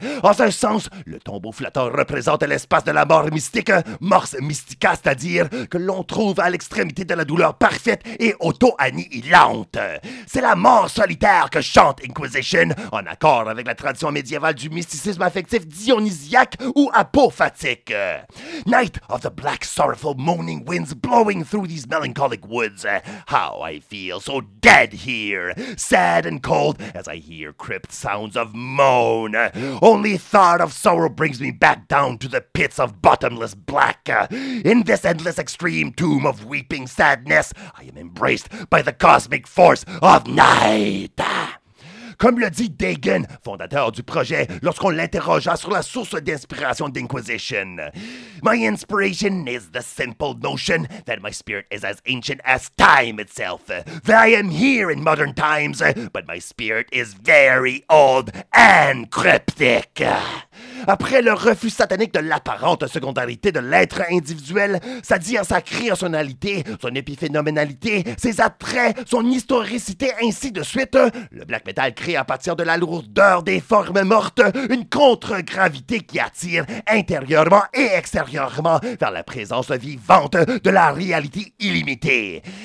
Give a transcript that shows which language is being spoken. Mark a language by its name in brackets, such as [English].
[French] En un sens, le tombeau flottant représente l'espace de la mort mystique, mors mystica, c'est-à-dire que l'on trouve à l'extrémité de la douleur parfaite et auto-annihilante. C'est la mort solitaire que chante Inquisition, en accord avec la tradition médiévale du mysticisme affectif dionysiaque ou apophatique. [English] Night of the black sorrowful moaning winds blowing through these melancholic woods. How I feel so dead here, sad and cold as I hear crypt sounds of moan. Only thought of sorrow brings me back down to the pits of bottomless black. In this endless extreme tomb of weeping sadness, I am embraced by the cosmic force of night. [French] Comme le dit Dagan, fondateur du projet, lorsqu'on l'interrogea sur la source d'inspiration d'Inquisition. [English] My inspiration is the simple notion that my spirit is as ancient as time itself. That I am here in modern times, but my spirit is very old and cryptic. [French] Après le refus satanique de l'apparente secondarité de l'être individuel, sa dire sa créationnalité, son épiphénoménalité, ses attraits, son historicité, ainsi de suite, le black metal crée à partir de la lourdeur des formes mortes une contre-gravité qui attire intérieurement et extérieurement vers la présence vivante de la réalité illimitée.